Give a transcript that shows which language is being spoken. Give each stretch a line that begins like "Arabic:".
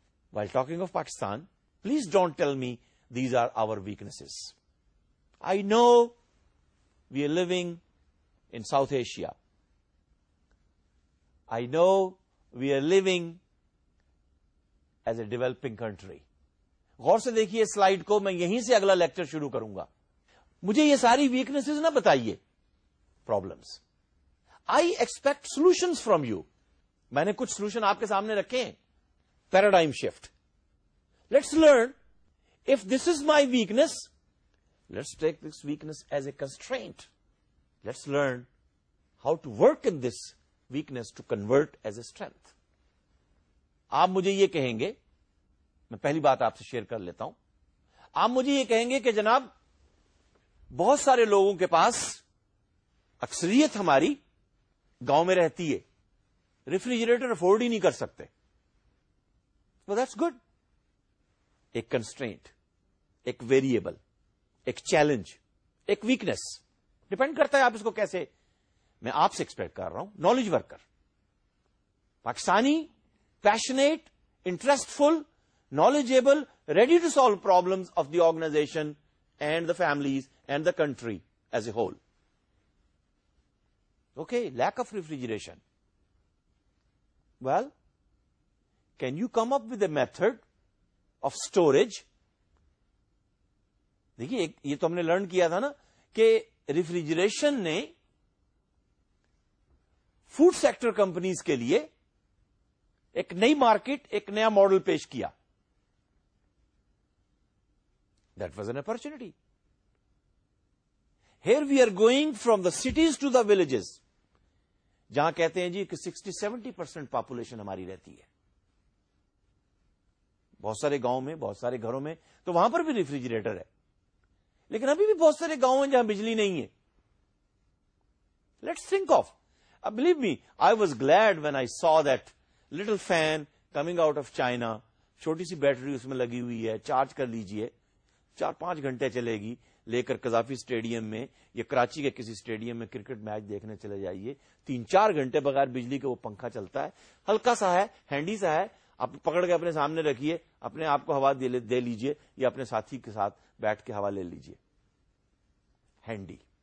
English: While talking of Pakistan, please don't tell me these are our weaknesses. I know we are living in South Asia. I know we are living as a developing country.
Urdu: غور سے دیکھیے slide کو, میں یہیں سے اگلا lecture شروع کروں گا. مجھے یہ ساری ویکنیسز نہ بتائیے, problems.
English: I expect solutions from you.
Urdu: میں نے کچھ solution آپ کے سامنے رکھے ہیں.
English: Paradigm shift. Let's learn, if this is my weakness, let's take this weakness as a constraint. Let's learn how to work in this weakness to convert as a strength.
Urdu: آپ مجھے یہ کہیں گے, میں پہلی بات آپ سے شیئر کر لیتا ہوں. آپ مجھے یہ کہیں گے کہ جناب بہت سارے لوگوں کے پاس, اکثریت ہماری گاؤں میں رہتی ہے, ریفریجریٹر افورڈ ہی نہیں کر سکتے.
English: Well, that's good.
Urdu: ایک کنسٹرینٹ, ایک ویریبل, ایک چیلنج, ایک ویکنس, ڈپینڈ کرتا ہے آپ اس کو کیسے. میں آپ سے ایکسپیکٹ کر رہا ہوں,
English: Knowledge worker, Pakistani, passionate, interest full, knowledgeable, ready to solve problems of the organisation and the families and the country as a whole. Okay, lack of refrigeration. Well, can you come up with a method of storage.
Urdu: دیکھیے یہ تو ہم نے learn کیا تھا نا کہ refrigeration نے فوڈ سیکٹر کمپنیز کے لیے ایک نئی مارکیٹ, ایک نیا ماڈل پیش کیا.
English: That was an opportunity. Here we are going from the cities to the villages,
Urdu: جہاں کہتے ہیں جی کہ 60-70% population ہماری رہتی ہے, بہت سارے گاؤں میں, بہت سارے گھروں میں, تو وہاں پر بھی ریفریجریٹر ہے. لیکن ابھی بھی بہت سارے گاؤں ہیں جہاں بجلی نہیں ہے.
English: Let's think of, believe me, I was glad when I saw that little fan coming out of China.
Urdu: چھوٹی سی بیٹری اس میں لگی ہوئی ہے, چارج کر لیجئے, چار پانچ گھنٹے چلے گی. لے کر قذافی اسٹیڈیم میں یا کراچی کے کسی اسٹیڈیم میں کرکٹ میچ دیکھنے چلے جائیے, تین چار گھنٹے بغیر بجلی کے وہ پنکھا چلتا ہے. ہلکا سا ہے, ہینڈی سا ہے, آپ پکڑ کے اپنے سامنے رکھیے, اپنے آپ کو ہوا دے لیجئے یا اپنے ساتھی کے ساتھ بیٹھ کے ہوا لے لیجئے. ہینڈی.